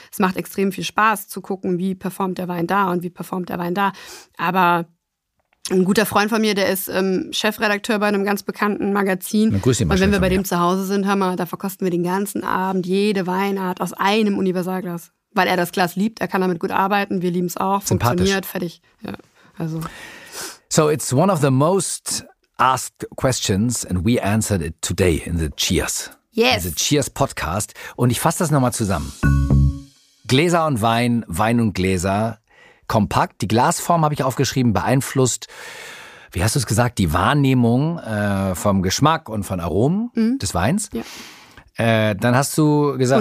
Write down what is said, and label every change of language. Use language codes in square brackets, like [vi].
[de] Es macht extrem viel Spaß zu gucken, wie performt der Wein da und wie performt der Wein da. Aber ein guter Freund von mir, der ist Chefredakteur bei einem ganz bekannten Magazin. Na, grüß dich mal, und wenn schön wir bei mir. Dem zu Hause sind, hör mal, da verkosten wir den ganzen Abend jede Weinart aus einem Universalglas. Weil er das Glas liebt, er kann damit gut arbeiten, wir lieben es auch. Funktioniert, fertig. Ja, also. [en] So it's one of the most asked questions and we answered it today in the Cheers. Yes. In the Cheers Podcast. [de] Und ich fasse das nochmal zusammen. Gläser und Wein, Wein und Gläser, kompakt. Die Glasform habe ich aufgeschrieben, beeinflusst, wie hast du es gesagt, die Wahrnehmung vom Geschmack und von Aromen des Weins. Ja. Dann hast du gesagt...